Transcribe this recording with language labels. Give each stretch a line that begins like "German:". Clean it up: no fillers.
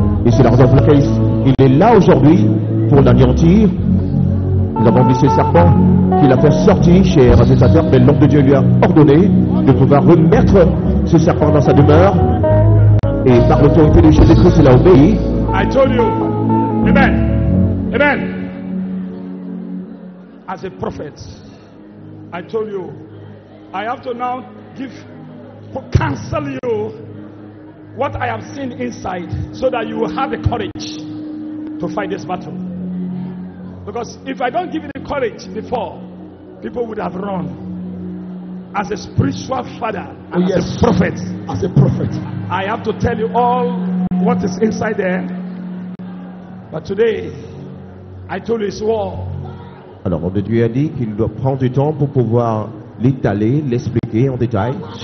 French: Et c'est la raison pour laquelle il est là aujourd'hui pour l'anéantir. Nous avons vu ce serpent qui l'a fait sortir, cher adversaire, mais l'homme de Dieu lui a ordonné de pouvoir remettre ce serpent dans sa demeure. Et par l'autorité de Jésus-Christ, il a obéi.
English: I told you. Amen. Amen. As a prophet, I told you, I have to now give, cancel you what I have seen inside so that you will have the courage to fight this battle. Because if I don't give you the courage before, people would have run. As a spiritual father, and yes, as a prophet, I have to tell you all what is inside there. But today, I told you it's war.
French: Alors, l'homme de Dieu a dit qu'il doit prendre du temps pour pouvoir l'étaler, l'expliquer en détail.